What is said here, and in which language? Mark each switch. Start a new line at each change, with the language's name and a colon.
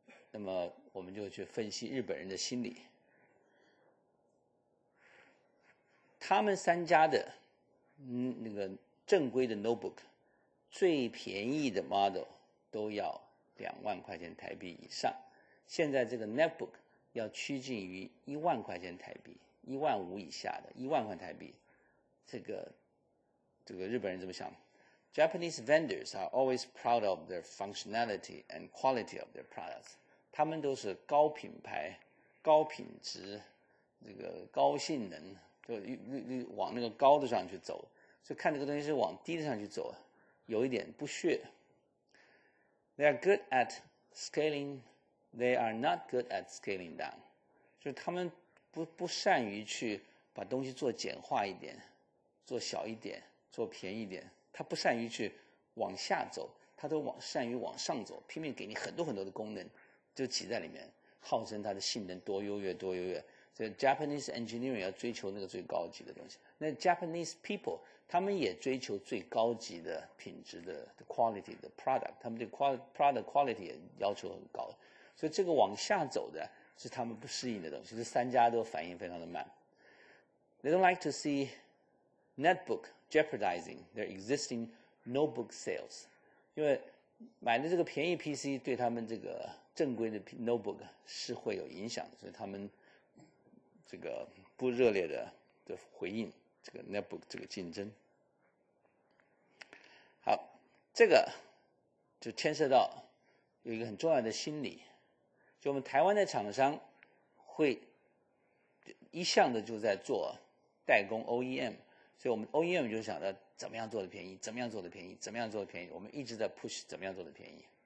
Chinese: 那么我们就去分析日本人的心理，他们三家的那个正规的 notebook 最便宜的 model 都要20000块钱台币以上。现在这个 netbook 要趋近于10000块钱台币，15000以下的10000块台币，这个日本人怎么想？
English: Japanese vendors are always proud of their functionality and quality of their products.
Chinese: 他们都是高品牌、高品质、这个高性能，就往那个高的上去走，所以看这个东西是往低的上去走，有一点不屑。
English: They are good at scaling. They are not good at scaling down.
Chinese: 就他们不善于去把东西做简化一点，做小一点，做便宜一点。他不善于去往下走，他都善于往上走，拼命给你很多很多的功能，就挤在里面，号称他的性能多优越多优越。所以 Japanese engineering 要追求那个最高级的东西。那 Japanese people, 他们也追求最高级的品质的
English: the quality, the product.
Chinese: 他们对 product quality 也要求很高。所以这个往下走的是他们不适应的东西，这三家都反应非常的慢。
English: They don't like to see netbook jeopardizing their existing notebook sales.
Chinese: 因为买的这个便宜 PC 对他们这个正规的 notebook 是会有影响的，所以他们这个不热烈的回应这个 netbook 这个竞争。好，这个就牵涉到有一个很重要的心理，就我们台湾的厂商会一向的就在做代工 OEM， 所以我们 OEM 就想着怎么样做的便宜，怎么样做的便宜，怎么样做的便宜，我们一直在 push 怎么样做的便宜。